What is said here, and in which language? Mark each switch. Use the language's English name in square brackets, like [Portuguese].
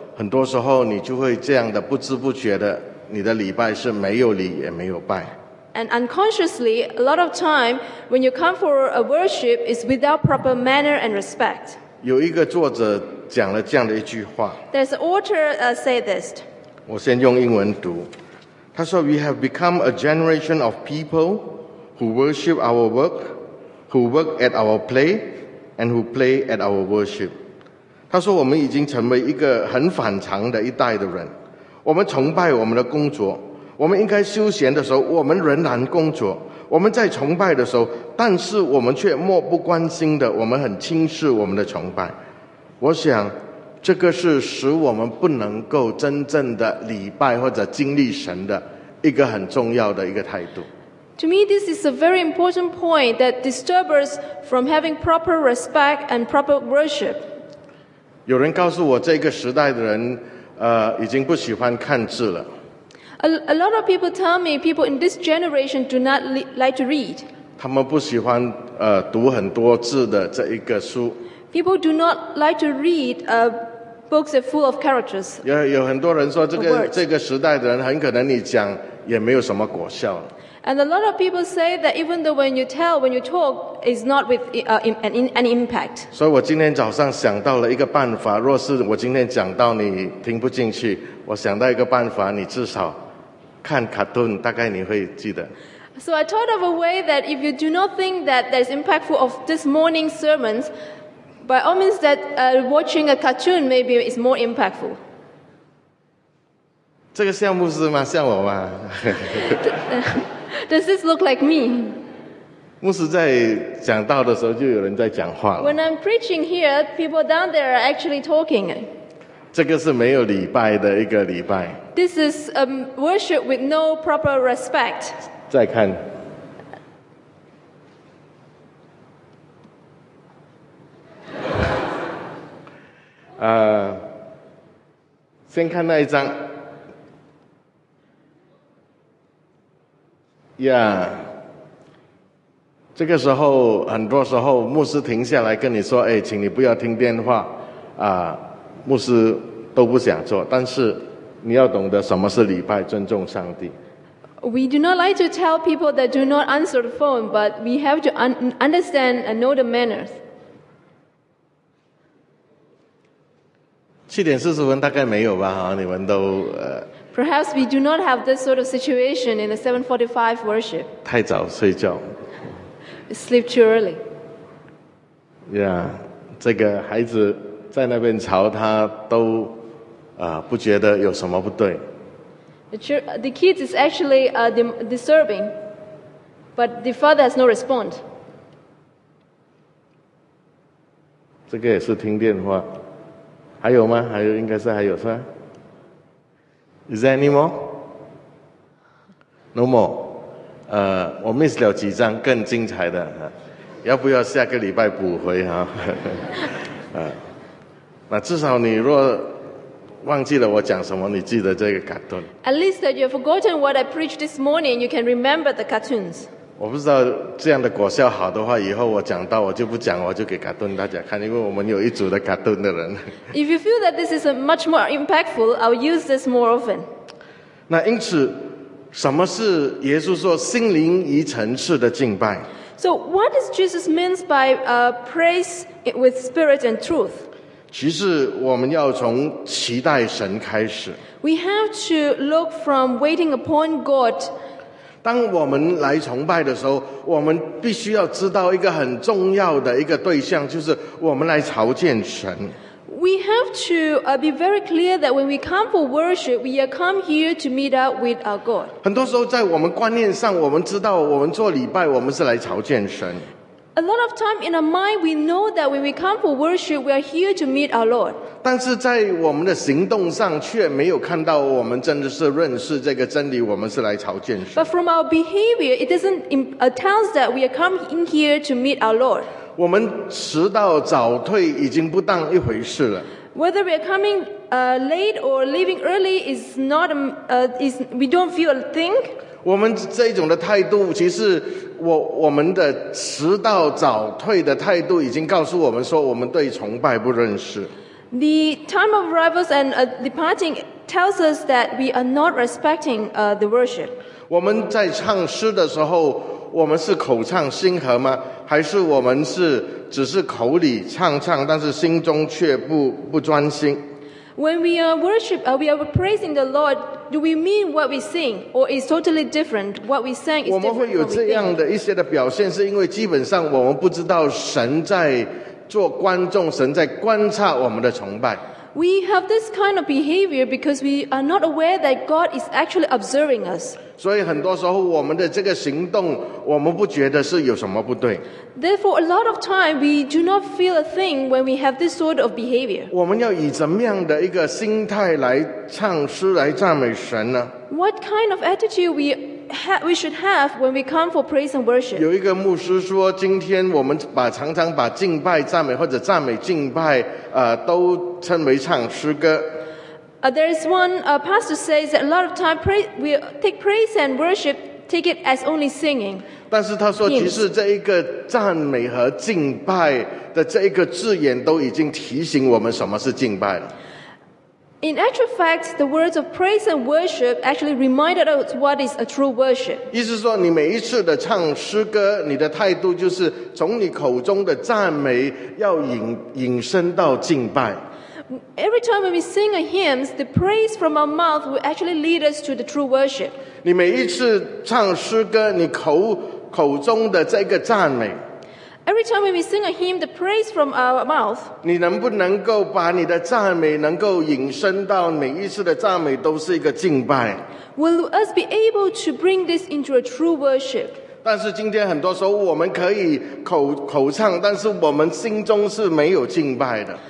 [Chinese] 很多时候你就会这样的不知不觉的，你的礼拜是没有礼也没有拜。 [English] And unconsciously, a lot of time when you come for a worship is without proper manner and respect. [Chinese] 有一个作者讲了这样的一句话。 [English] There's an author say this. [Chinese] 我先用英文读。他说 [English] ,We have become a generation of people who worship our work, who work at our play, and who play at our worship. [Chinese] 他说我们已经成为一个很反常的一代的人。我们崇拜我们的工作。我们应该休闲的时候我们仍然工作。我们在崇拜的时候，但是我们却漠不关心的，我们很轻视我们的崇拜。我想，这个是使我们不能够真正的礼拜或者经历神的一个很重要的一个态度。 [English] To me, this is a very important point that disturbs us from having proper respect and proper worship. [Chinese] 有人告诉我，这个时代的人，已经不喜欢看字了。 [English] A lot of people tell me people in this generation do not like to read. [Chinese] 他们不喜欢读很多字的这一个书。 [English] People do not like to read books that are full of characters. [Chinese] 有很多人说这个时代的人很可能你讲也没有什么果效。 [English] And a lot of people say that even though when you talk, it's not with an impact. [Chinese] 所以我今天早上想到了一个办法，若是我今天讲到你听不进去，我想到一个办法，你至少看卡通，大概你会记得。 [English] So I thought of a way that if you do not think that there's impactful of this morning's sermons, by all means that watching a cartoon maybe is more impactful. [Chinese] 这个像牧师吗？像我吗？ [English] Does this look like me? [Chinese] 牧师在讲道的时候，就有人在讲话了。 [English] When I'm preaching here, people down there are actually talking. [Chinese] 这个是没有礼拜的一个礼拜。 [English] This is a worship with no proper respect. [Chinese] 再看。先看那一张。 Yeah, 这个时候很多时候牧师停下来跟你说，哎，请你不要听电话啊，牧师都不想做，但是你要懂得什么是礼拜，尊重上帝。 [English] We do not like to tell people that do not answer the phone, but we have to understand and know the manners. [Chinese] 7:40大概没有吧，你们都 [English] Perhaps we do not have this sort of situation in the 7:45 worship. [Chinese] 太早睡觉。 [English] Sleep too early. [Chinese] Yeah, 这个孩子在那边吵他都不觉得有什么不对。 [English] The kids is actually disturbing, but the father has no response. [Chinese] 这个也是听电话。还有吗？还有，应该是还有是吧？ [English] Is there any more? No more. [Chinese] 我 miss 了几张更精彩的，要不要下个礼拜补回啊？那至少你若忘记了我讲什么，你记得这个卡通。 [English] At least that you've forgotten what I preached this morning, you can remember the cartoons. [Chinese] 我不知道这样的果效好的话，以后我讲到我就不讲，我就给卡通大家看，因为我们有一组的卡通的人。 [English] If you feel that this is much more impactful, I'll use this more often. [Chinese] 那因此，什么是耶稣说心灵与诚实的敬拜？ [English] So what does Jesus mean by praise with spirit and truth? [Chinese] 其实我们要从期待神开始。 [English] We have to look from waiting upon God. [Chinese] 当我们来崇拜的时候，我们必须要知道一个很重要的一个对象，就是我们来朝见神。 [English] We have to be very clear that when we come for worship, we are come here to meet up with our God. [Chinese] 很多时候在我们观念上，我们知道我们做礼拜，我们是来朝见神。 [English] A lot of time in our mind, we know that when we come for worship, we are here to meet our Lord. [Chinese] 但是在我们的行动上却没有看到我们真的是认识这个真理，我们是来朝见神。 [English] But from our behavior, it doesn't tell us that we are coming here to meet our Lord. [Chinese] 我们迟到早退已经不当一回事了。 [English] Whether we are coming late or leaving early is not is we don't feel a thing. [Chinese] 我们这种的态度，其实我们的迟到早退的态度，已经告诉我们说，我们对崇拜不认识。 [English] The time of arrivals and departing tells us that we are not respecting the worship. [Chinese] 我们在唱诗的时候，我们是口唱心和吗？还是我们是只是口里唱，但是心中却不专心？ [English] When we are worship, we are praising the Lord. Do we mean what we sing, or is totally different? What we sang is different. [Chinese] 我们会有这样的一些的表现，是因为基本上我们不知道神在做观众，神在观察我们的崇拜。 [English] We have this kind of behavior because we are not aware that God is actually observing us. [Chinese] 所以很多时候我们的这个行动，我们不觉得是有什么不对。 [English] Therefore, a lot of time we do not feel a thing when we have this sort of behavior. [Chinese] 我们要以怎么样的一个心态来唱诗来赞美神呢？ [English] What kind of attitude we should have when we come for praise and worship? [Chinese] 有一个牧师说，今天我们常常把敬拜赞美或者赞美敬拜都称为唱诗歌。 [English] There is one pastor says that a lot of time we take praise and worship take it as only singing. [Chinese] 但是他说，其实这一个赞美和敬拜的这一个字眼都已经提醒我们什么是敬拜了。 [English] In actual fact, the words of praise and worship actually reminded us what is a true worship. [Chinese] 意思说，你每一次的唱诗歌，你的态度就是从你口中的赞美要引申到敬拜。 [English] Every time when we sing a hymn, the praise from our mouth will actually lead us to the true worship. [Chinese] 你每一次唱诗歌，你口中的这个赞美。 [English] Every time when we sing a hymn, the praise from our mouth. [Chinese] 你能不能够把你的赞美能够引申到每一次的赞美都是一个敬拜？ [English] Will us be able to bring this into a true worship? [Chinese] 但是今天很多时候我们可以口唱，但是我们心中是没有敬拜的。